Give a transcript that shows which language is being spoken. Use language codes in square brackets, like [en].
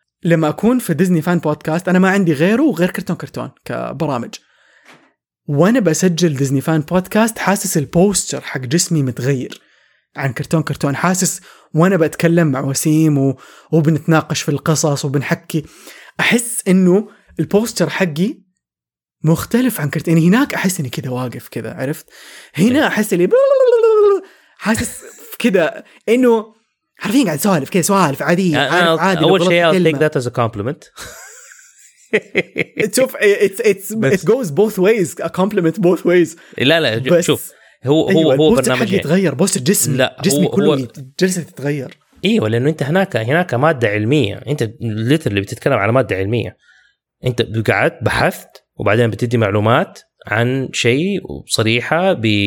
[ar] لما أكون في ديزني فان بودكاست أنا ما عندي غيره وغير كرتون كبرامج وأنا بسجل ديزني فان بودكاست حاسس البوستر حق جسمي متغير عن كرتون حاسس وأنا بتكلم مع وسيم وبنتناقش في القصص وبنحكي أحس أنه البوستر حقي مختلف عن كرتون يعني هناك أحس أني كذا واقف كذا عرفت هنا أحس لي حاسس كذا أنه عارفين قاعد سوالف كذا سوالف عادي أول شيء [en] I'll take that as a compliment [ar] شوف [en] it goes both ways a compliment both ways [ar] لا شوف هو برنامج يتغير بوستر جسمي كله جلسة تتغير ايوه لأنه أنت هناك مادة علمية أنت literally بتتكلم على مادة علمية أنت قعدت بحثت وبعدين بتدي معلومات عن شيء صريحة